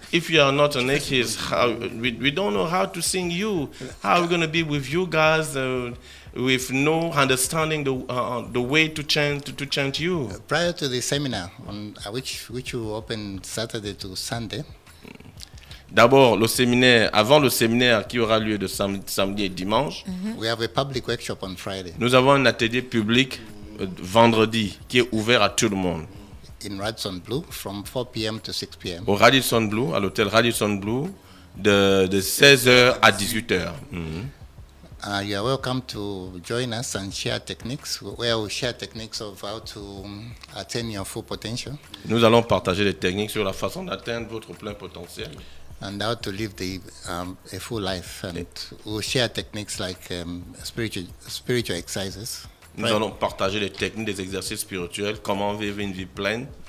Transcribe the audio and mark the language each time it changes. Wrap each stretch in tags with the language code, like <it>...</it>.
<en>If you are not an equist, we don't know how to sing you. How are we going to be with you guys with no understanding the way to chant you? Prior to the seminar, which will open Saturday to Sunday.</en> <fr>D'abord, le séminaire, avant le séminaire qui aura lieu de samedi et dimanche,</fr> <en>We have a public workshop on Friday.</en> <fr>Nous avons un atelier public vendredi qui est ouvert à tout le monde.</fr> <en>In Radisson Blue, from 4 p.m. to 6 p.m.</en> <fr>Au Radisson Blue, à l'hôtel Radisson Blue, de 16h à 18h.</fr> <en>You are welcome to join us and share techniques, where we share techniques of how to attain your full potential.</en> <fr>Nous allons partager des techniques sur la façon d'atteindre votre plein potentiel.</fr> <en>And how to live the a full life, and we'll share techniques like spiritual exercises.</en> <fr>Nous allons partager les techniques des exercices spirituels, comment vivre une vie pleine.</fr>